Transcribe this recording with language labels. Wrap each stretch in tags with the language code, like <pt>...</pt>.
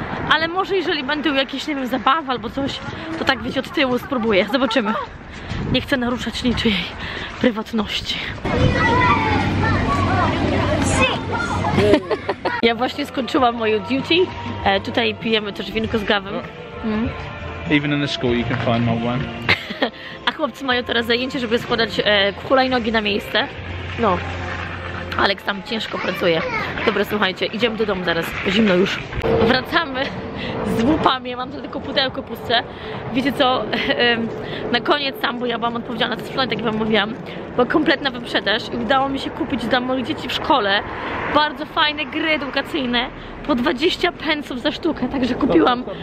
<pl>Ale może jeżeli będą jakieś, nie wiem, zabawy albo coś, to tak wiecie, od tyłu spróbuję, zobaczymy. Nie chcę naruszać niczyjej prywatności. Ja właśnie skończyłam moje duty. Tutaj pijemy też winko z Gawem.</pl> <en>Even in the school you can find my one.</en> <pl>A chłopcy mają teraz zajęcie, żeby składać hulajnogi na miejsce. No. Alex tam ciężko pracuje. Dobra, słuchajcie, idziemy do domu zaraz. Zimno już. Wracamy z łupami. Ja mam tylko pudełko puste. Wiecie co? Na koniec tam, bo ja byłam odpowiedzialna za sprzęt, jak wam mówiłam, była kompletna wyprzedaż i udało mi się kupić dla moich dzieci w szkole bardzo fajne gry edukacyjne po 20 pensów za sztukę. Także kupiłam.</pl>